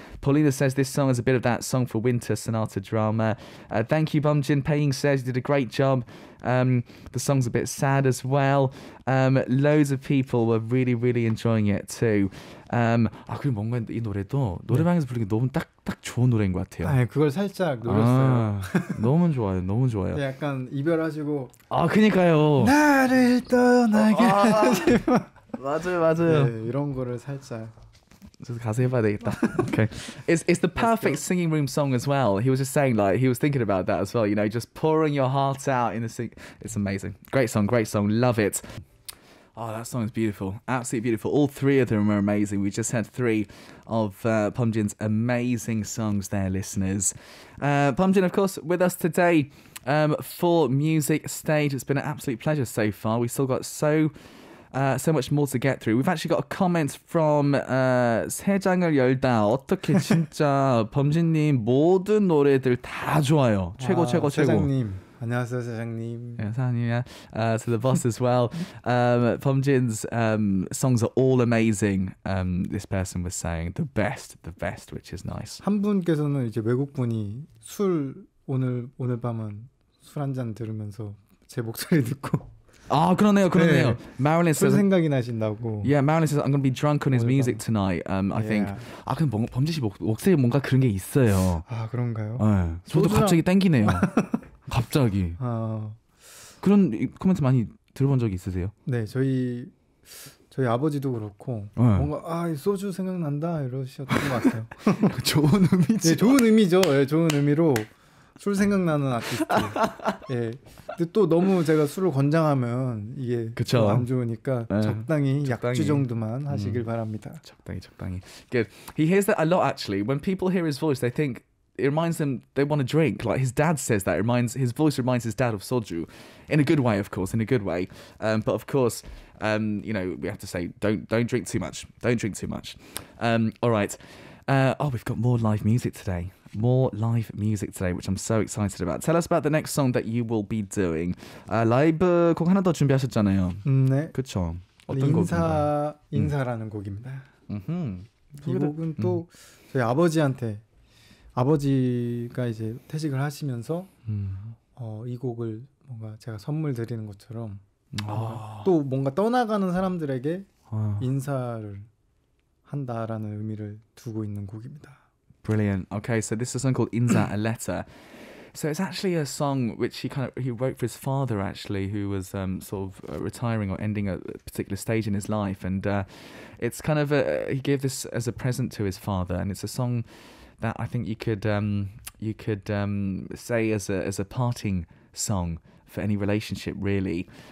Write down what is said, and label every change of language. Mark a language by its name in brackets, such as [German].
[English] Paulina says this song is a bit of that song for winter sonata drama. Thank you, Bumjin. Paying says you did a great job. The song's a bit sad as well. Loads of people were really, really enjoying it too. [Korean] 아 그리고 뭔가 이 노래도 노래방에서 부르기 너무 딱딱 좋은 노래인 것 같아요. 아 그걸 살짝 노렸어요. 아, 너무 좋아요, 너무 좋아요. 네, 약간 이별하시고. 아 그니까요. 나를 떠나게. 아, 맞아요, 맞아요. 네, 이런 거를 살짝. 저도 가서 해봐야 되겠다. [English] Okay, it's the perfect singing room song as well. He was just saying like he was thinking about that as well. You know, just pouring your heart out in the sing. It's amazing. Great song, great song. Love it. Oh, that song is beautiful. Absolutely beautiful. All three of them are amazing. We just had three of Pumjin's amazing songs there, listeners. Pumjin, of course, with us today for Music Stage. It's been an absolute pleasure so far. We still got so much more to get through. We've actually got a comment from 세 장을 열다. [Korean] 어떻게 진짜 범진님 모든 노래들 다 좋아요. 최고 최고 최고. 세장님. 안녕하세요, 세장님. 세장님이야. [English] So the boss as well. Pumjin's songs are all amazing. This person was saying the best, which is nice. [Korean] 한 분께서는 이제 외국 분이 술 오늘 밤은 술 한 잔 들으면서 제 목소리 듣고. 아 그러네요 그러네요 네. Marilyn says 생각이 나신다고 [English] Yeah Marilyn says I'm gonna be drunk on his music tonight I think [Korean] 아 근데 범진 씨 목소리에 뭔가 그런 게 있어요 아 그런가요? 네 저도 소주랑... 갑자기 땡기네요 갑자기 아 그런 코멘트 많이 들어본 적이 있으세요? 네 저희 아버지도 그렇고 네. 뭔가 아 소주 생각난다 이러셨던 것 같아요 좋은 의미죠 네 좋은 의미죠 네, 좋은 의미로 술 생각나는 아티스트. 예. 근데 또 너무 제가 술을 권장하면 이게 그쵸? 안 좋으니까 네. 적당히 약주 정도만 하시길 바랍니다. 적당히. [English] Good. He hears that a lot actually. When people hear his voice, they think it reminds them they want to drink. Like his dad says that. His voice reminds his dad of soju. In a good way, of course. In a good way. But of course, you know, we have to say don't drink too much. Don't drink too much. All right. We've got more live music today. More live music today, which I'm so excited about. Tell us about the next song that you will be doing. [Korean] 라이브 곡 하나 더 준비하셨잖아요. 네. 그쵸. 어떤 인사라는 곡입니다. 이 곡은 또 저희 아버지가 이제 퇴직을 하시면서 이 곡을 뭔가 제가 선물 드리는 것처럼 또 뭔가 떠나가는 사람들에게 인사를 한다라는 의미를 두고 있는 곡입니다. [English] Brilliant. Okay, so this is a song called Inza, a Letter. So it's actually a song which he wrote for his father, actually, who was sort of retiring or ending a particular stage in his life. And it's kind of he gave this as a present to his father. And it's a song that I think you could say as a parting song for any relationship, really.